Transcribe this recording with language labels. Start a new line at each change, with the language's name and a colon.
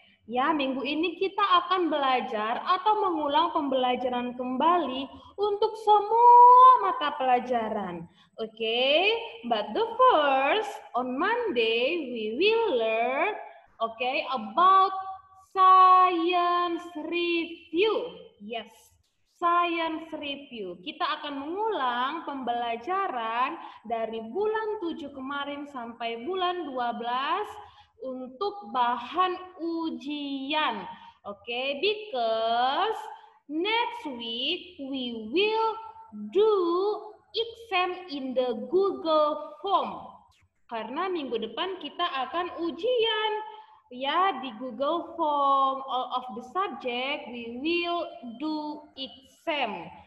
Indonesian: Ya, minggu ini kita akan belajar atau mengulang pembelajaran kembali untuk semua mata pelajaran.
English: Okay, but the first, on Monday, we will learn, about science review. Yes, science review.
Indonesian: Kita akan mengulang pembelajaran dari bulan 7 kemarin sampai bulan 12 untuk bahan ujian.
English: Okay, because next week, we will do exam in the Google Form.
Indonesian: Karena minggu depan kita akan ujian ya di Google Form
English: all of the subject we will do exam.